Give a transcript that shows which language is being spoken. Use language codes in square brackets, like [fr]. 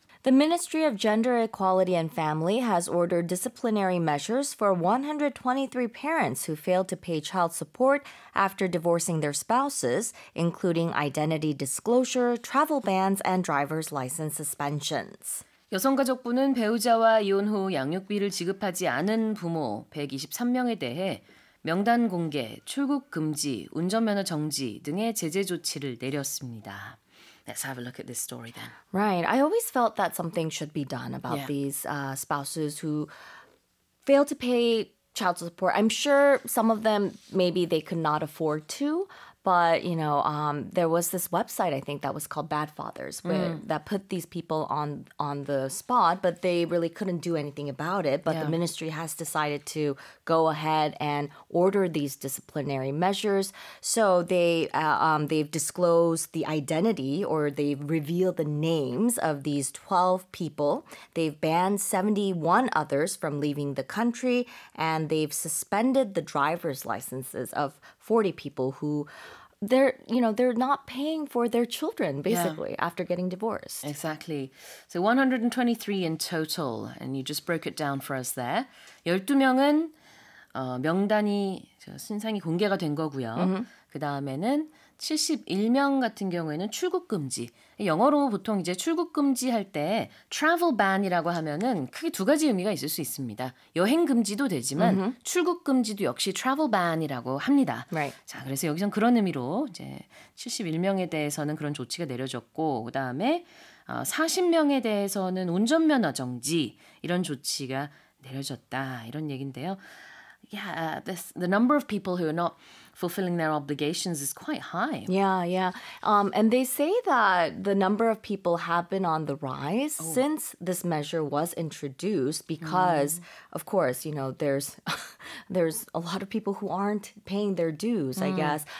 [en] The Ministry of Gender Equality and Family has ordered disciplinary measures for 123 parents who failed to pay child support after divorcing their spouses, including identity disclosure, travel bans, and driver's license suspensions. [ko] 여성가족부는 배우자와 이혼 후 양육비를 지급하지 않은 부모 123명에 대해 명단 공개, 출국 금지, 운전면허 정지 등의 제재 조치를 내렸습니다. [en] Let's have a look at this story then. Right. I always felt that something should be done about these spouses who fail to pay child support. I'm sure some of them, maybe they could not afford to, but, you know, there was this website, I think, that was called Bad Fathers, where, that put these people on the spot, but they really couldn't do anything about it. But the ministry has decided to go ahead and order these disciplinary measures. So they, they've disclosed the identity or they've revealed the names of these 12 people. They've banned 71 others from leaving the country, and they've suspended the driver's licenses of 40 people who they're not paying for their children basically after getting divorced. Exactly. So 123 in total and you just broke it down for us there. [ko] 12명은 명단이 신상이 공개가 된 거고요. 그다음에는 71명 같은 경우에는 출국 금지. 영어로 보통 이제 출국 금지 할 때 travel ban이라고 하면은 크게 두 가지 의미가 있을 수 있습니다. 여행 금지도 되지만 mm-hmm. 출국 금지도 역시 travel ban이라고 합니다. [en] Right. [ko] 자, 그래서 여기선 그런 의미로 이제 71명에 대해서는 그런 조치가 내려졌고 그다음에 40명에 대해서는 운전면허 정지 이런 조치가 내려졌다. 이런 얘긴데요. [en] Yeah, the number of people who are not fulfilling their obligations is quite high. Yeah, yeah. And they say that the number of people have been on the rise oh. since this measure was introduced because, mm. of course, you know, there's a lot of people who aren't paying their dues, mm. I guess.